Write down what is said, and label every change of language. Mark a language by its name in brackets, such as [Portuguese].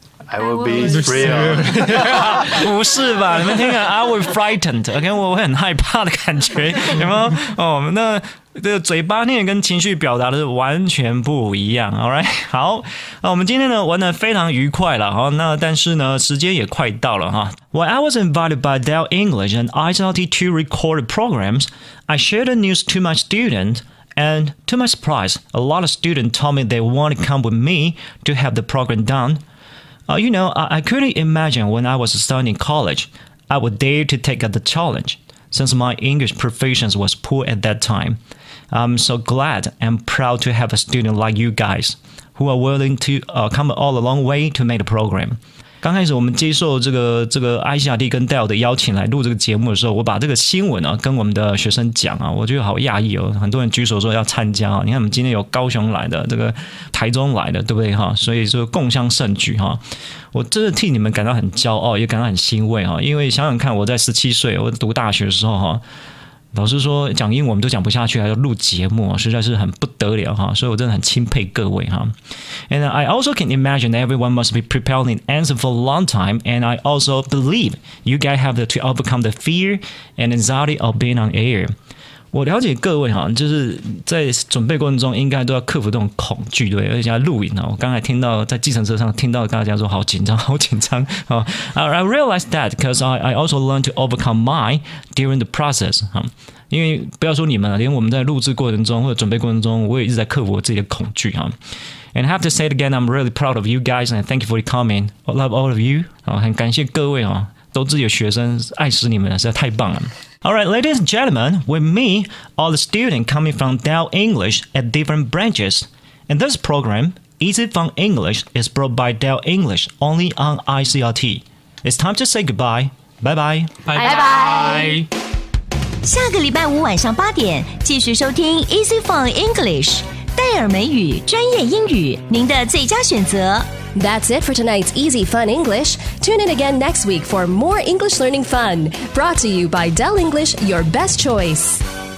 [English] I will be thrilled 。 [Chinese] 不是吧？你们听啊 ， [English] I will frightened。 [Chinese] OK， 我会很害怕的感觉，有没有？哦，那这个嘴巴念跟情绪表达的完全不一样。 All right， 好，那我们今天呢玩得非常愉快了哈。那但是呢，时间也快到了哈。 [English] While I was invited by Dell English and ICRT to record programs, I shared the news to my students, and to my surprise, a lot of students told me they want to come with me to have the program done. You know, I couldn't imagine when I was studying college, I would dare to take up the challenge, since my English proficiency was poor at that time. I'm so glad and proud to have a student like you guys, who are willing to come all a long way to make the program. [Chinese] 刚开始我们接受这个 ICRT 跟 Dell 的邀请来录这个节目的时候，我把这个新闻啊跟我们的学生讲啊，我觉得好讶异哦，很多人举手说要参加啊。你看我们今天有高雄来的，这个台中来的，对不对哈？所以说共襄盛举哈。我真的替你们感到很骄傲，也感到很欣慰哈。因为想想看，我在17岁我读大学的时候哈，老师说讲英文我们都讲不下去，还要录节目，实在是很不得了哈。所以我真的很钦佩各位哈。 [English] And I also can imagine that everyone must be preparing answers for a long time. And I also believe you guys have to overcome the fear and anxiety of being on air. [Chinese] 我了解各位哈，就是在准备过程中应该都要克服这种恐惧，对，而且要录影啊。我刚才听到在计程车上听到大家说好紧张，好紧张啊。 [English] I realized that because I also learned to overcome mine during the process. [Chinese] 哈，因为不要说你们了，连我们在录制过程中或者准备过程中，我也一直在克服我自己的恐惧哈。 [English] And I have to say it again, I'm really proud of you guys and thank you for coming. I love all of you. [Chinese] 啊，很感谢各位啊，都自己的学生，爱死你们了，实在太棒了。 [English] All right, ladies and gentlemen, with me, all the students coming from Dell English at different branches. In this program, Easy Fun English is brought by Dell English only on ICRT. It's time to say goodbye. Bye-bye. Bye-bye. [Chinese] 下个礼拜五晚上八点，继续收听 Easy Fun English。戴尔美语专业英语，您的最佳选择。 [English] That's it for tonight's Easy Fun English. Tune in again next week for more English learning fun. Brought to you by Dell English, your best choice.